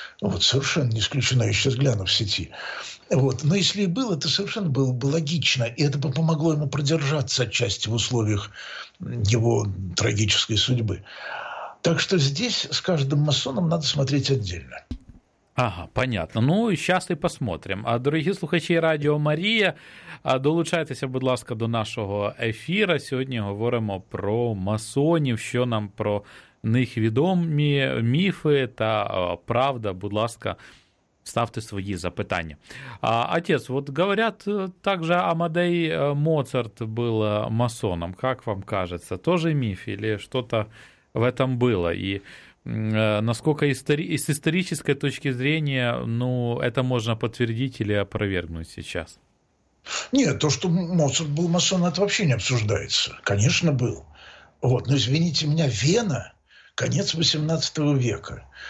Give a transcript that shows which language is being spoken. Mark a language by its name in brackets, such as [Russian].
[Russian] Вот, совершенно не исключено, я сейчас гляну в сети. Вот. Но если и был, это совершенно было бы логично, и это бы помогло ему продержаться отчасти в условиях его трагической судьбы. Так что здесь с каждым масоном надо смотреть отдельно. Ага, понятно. Ну, сейчас и посмотрим. [Ukrainian] А, дорогі слухачі Радіо Марія, долучайтеся, будь ласка, до нашого ефіру. Сьогодні говоримо про масонів, що нам про них відомі, міфи та правда. Будь ласка, ставте свої запитання. А, отець, от говорять, також Амадей Моцарт був масоном. Як вам кажеться, теж міф або щось [Russian] в этом [Ukrainian] було? [Russian] І насколько с исторической точки зрения, ну, это можно подтвердить или опровергнуть сейчас? Нет, то, что Моцарт был масон, это вообще не обсуждается. Конечно, был. Вот, но, извините меня, Вена, конец XVIII века.